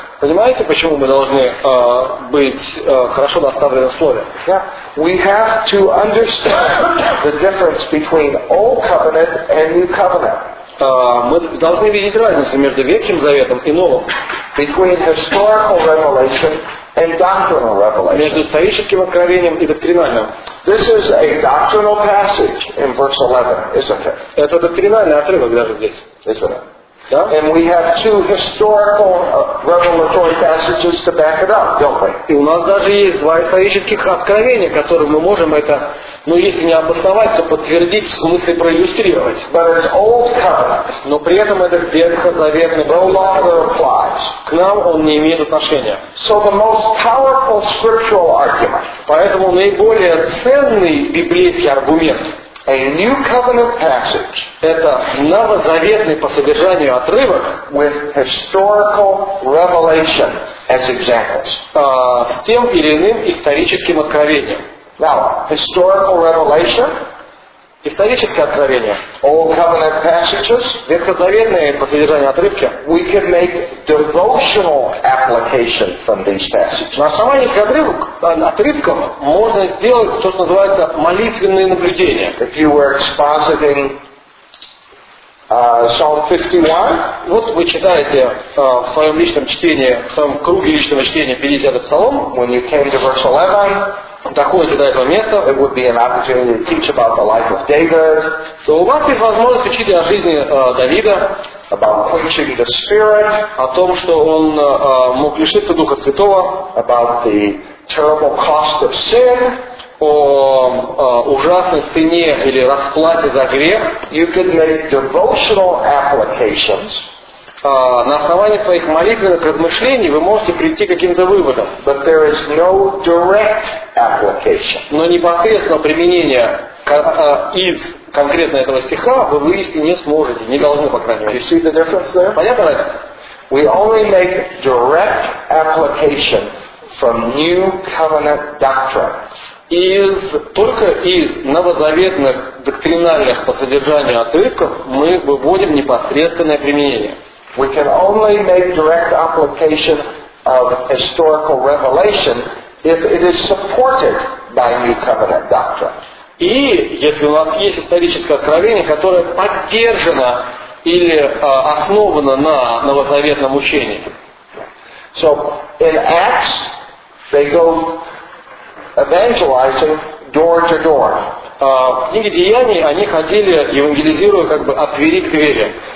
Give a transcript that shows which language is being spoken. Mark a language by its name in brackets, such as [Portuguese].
[Russian] Понимаете, почему мы должны быть хорошо наставлены в слове? [English] Yeah. We have to understand the difference between Old Covenant and New Covenant. [Russian] Мы должны видеть разницу между Ветхим Заветом и Новым. [English] Between historical revelation and doctrinal revelation. [Russian] Между историческим откровением и доктринальным. [English] This is a doctrinal passage in verse 11, isn't it? [Russian] Это доктринальный отрывок даже здесь. [English] Isn't it? [Russian] Да? [English] And we have two historical revelatory passages to back it up, don't we? [Russian] И у нас даже есть два исторических откровения, которым мы можем это, ну если не обосновать, то подтвердить, в смысле проиллюстрировать. [English] But it's old covenant. [Russian] Но при этом это ветхозаветный документ. К нам он не имеет отношения. [English] So the most powerful scriptural argument. [Russian] Поэтому наиболее ценный библейский аргумент. [English] A new covenant passage. [Russian] Это новозаветный по содержанию отрывок [English] with historical revelation as examples. [Russian] С тем или иным историческим откровением. [English] Now, historical revelation. [Russian] Историческое откровение. [English] Old covenant passages. [Russian] Ветхозаветные по содержанию отрывки. [English] We can make devotional application from these passages. [Russian] На основании этих отрывков можно сделать то, что называется молитвенные наблюдения. [English] If you were expositing Psalm 51. [Russian] Вот вы читаете в своем личном чтении, в своем круге личного чтения 50-й псалом. [English] When you came to verse 11. [Russian] Доходите до этого места, [English] it would be an opportunity to teach about the life of David, [Russian] то у вас есть возможность учить о жизни Давида, [English] about preaching the Spirit, [Russian] о том, что он мог лишиться Духа Святого, [English] about the terrible cost of sin, [Russian] о ужасной цене или расплате за грех. [English] You could make devotional applications. [Russian] На основании своих молитвенных размышлений вы можете прийти к каким-то выводам. [English] But there is no direct application. [Russian] Но непосредственного применения из конкретно этого стиха вы вывести не сможете, не должны, по крайней мере. [English] You see the difference there? [Russian] Понятно разница? [English] We only make direct application from New Covenant doctrine. [Russian] Только из новозаветных доктринальных по содержанию отрывков мы выводим непосредственное применение. [English] We can only make direct application of historical revelation if it is supported by New Covenant doctrine. [Russian] И если у нас есть историческое откровение, которое поддержано или основано на новозаветном учении. [English] So in Acts they go evangelizing door to door. [Russian] В книге Деяний они ходили, евангелизируя как бы от двери к двери.